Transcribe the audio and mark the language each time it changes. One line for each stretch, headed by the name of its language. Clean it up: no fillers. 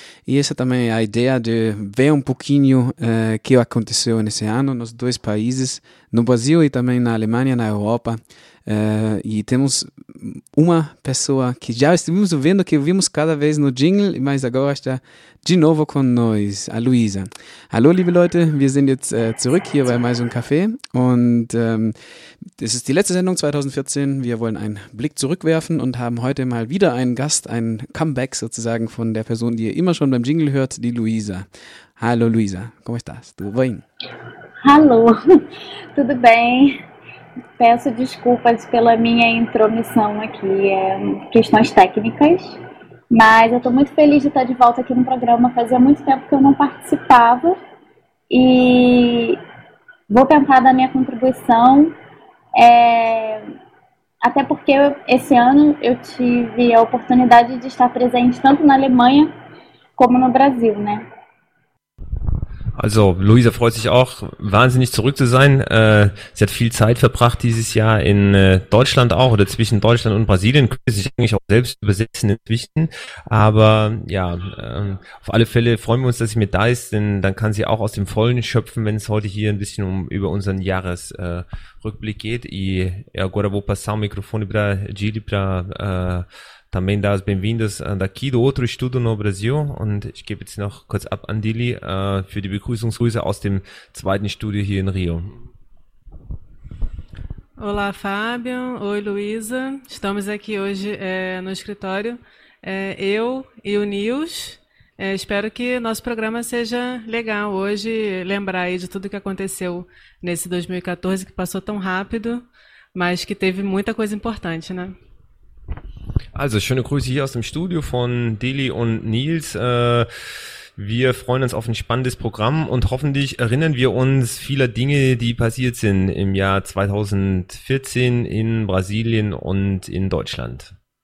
Portuguese: E essa também é a ideia de ver um pouquinho que aconteceu nesse ano nos dois países, no Brasil e também na Alemanha, na Europa. E temos uma pessoa que já estivemos vendo, que vimos cada vez no jingle, mas agora está de novo com nós, a Luísa.
German: Alô, liebe Leute, wir sind jetzt zurück hier bei
Portuguese: Mais um Café.
German: Und das ist die letzte Sendung 2014. Wir wollen einen Blick zurückwerfen und haben heute mal wieder einen Gast, ein Comeback sozusagen von der Person, die ihr immer schon beim Jingle hört, die Luísa.
Portuguese: Hallo, Luísa, como estás? Tudo bem? Hallo, tudo bem? Peço desculpas pela minha intromissão aqui, questões técnicas, mas eu estou muito feliz de estar de volta aqui no programa. Fazia muito tempo que eu não participava e vou tentar dar minha contribuição, até porque esse ano eu tive a oportunidade de estar presente tanto na Alemanha como no Brasil, né?
German: Also Luísa freut sich auch wahnsinnig zurück zu sein. Sie hat viel Zeit verbracht dieses Jahr in Deutschland auch oder zwischen Deutschland und Brasilien. Könnte sich eigentlich auch selbst übersetzen inzwischen. Aber ja, auf alle Fälle freuen wir uns, dass sie mit da ist, denn dann kann sie auch aus dem Vollen schöpfen, wenn es heute hier ein bisschen über unseren Jahresrückblick geht.
Portuguese: E agora vou passar o microfone para Gili para também das bem-vindas daqui do outro estudo no Brasil.
German: Und ich gebe jetzt noch kurz ab an Dili für die Begrüßungsgrüße aus dem zweiten Studio hier in Rio.
Portuguese: Olá, Fábio. Oi, Luísa. Estamos aqui hoje no escritório. Eu e o Nils. Espero que nosso programa seja legal hoje, lembrar aí de tudo que aconteceu nesse 2014, que passou tão rápido, mas que teve muita coisa importante, né?
German: Also, schöne Grüße hier aus dem Studio von Dili und Nils. Wir freuen uns auf ein spannendes Programm und hoffentlich erinnern wir uns vieler Dinge, die passiert sind im Jahr 2014 in Brasilien und in Deutschland.